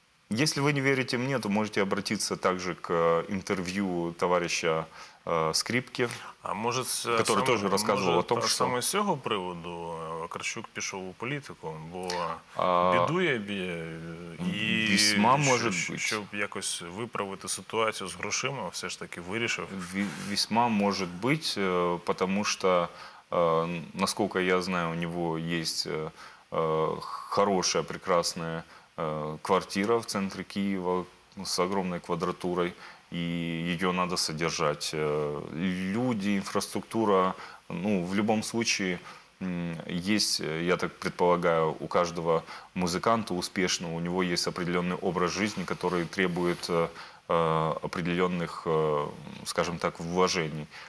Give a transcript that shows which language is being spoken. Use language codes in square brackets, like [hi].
[ru] Если вы не верите мне, то можете обратиться также к интервью товарища Скрипки, который тоже рассказывал о том, что... Может, с этого привода [uk] Вакарчук пішов у політику, бо бідує бі, і щоб якось виправити ситуацію з грошима, все ж таки вирішив. [ru] Весьма может быть, потому что Насколько я знаю, у него есть хорошая, прекрасная квартира в центре Киева с огромной квадратурой, и ее надо содержать. Люди, инфраструктура, ну, в любом случае, есть, я так предполагаю, у каждого музыканта успешного, у него есть определенный образ жизни, который требует определенных, скажем так, вложений.